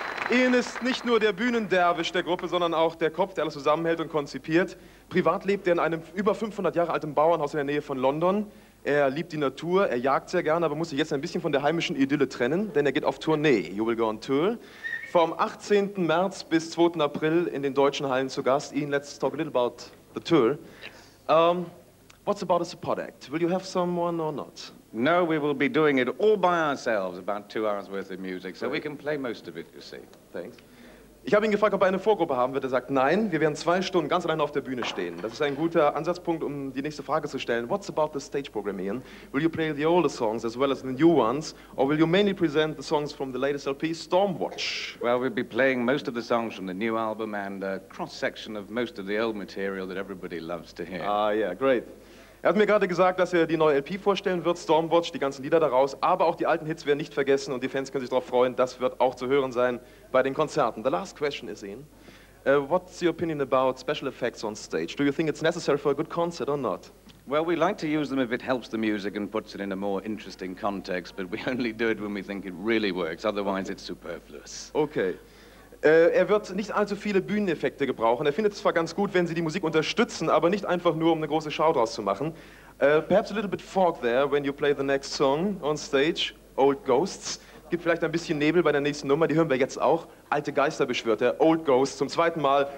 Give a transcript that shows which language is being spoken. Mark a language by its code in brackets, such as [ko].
[de] Ian ist nicht nur der Bühnenderwisch der Gruppe, sondern auch der Kopf, der alles zusammenhält und konzipiert. Privat lebt er in einem über 500 Jahre alten Bauernhaus in der Nähe von London. Er liebt die Natur, er jagt sehr gerne, aber muss sich jetzt ein bisschen von der heimischen Idylle trennen, denn er geht auf Tournee. [en] You will go on tour. [de] Vom 18. März bis 2. April in den deutschen Hallen zu Gast. [en] Ian, let's talk a little about the tour. What's about a support act? Will you have someone or not? No, we will be doing it all by ourselves, about 2 hours worth of music, so we can play most of it, you see. Thanks. [de] Ich habe ihn gefragt, ob er eine Vorgruppe haben wird. Er sagt, nein, wir werden 2 Stunden ganz allein auf der Bühne stehen. Das ist ein guter Ansatzpunkt, um die nächste Frage zu stellen. [en] What's about the stage program, Ian? Will you play the older songs as well as the new ones, or will you mainly present the songs from the latest LP, Stormwatch? Well, we'll be playing most of the songs from the new album and a cross-section of most of the old material that everybody loves to hear. Ah, yeah, great. [de] Er hat mir gerade gesagt, dass er die neue LP vorstellen wird, Stormwatch, die ganzen Lieder daraus, aber auch die alten Hits werden nicht vergessen und die Fans können sich darauf freuen, das wird auch zu hören sein bei den Konzerten. [en] The last question is, Ian, what's your opinion about special effects on stage? Do you think it's necessary for a good concert or not? Well, we like to use them if it helps the music and puts it in a more interesting context, but we only do it when we think it really works, otherwise it's superfluous. Okay. [de] Er wird nicht allzu viele Bühneneffekte gebrauchen. Er findet es zwar ganz gut, wenn sie die Musik unterstützen, aber nicht einfach nur, um eine große Show draus zu machen. [en] Perhaps a little bit fog there when you play the next song on stage, Old Ghosts. [de] Gibt vielleicht ein bisschen Nebel bei der nächsten Nummer, die hören wir jetzt auch. Alte Geister beschwört, der Old Ghost zum zweiten Mal.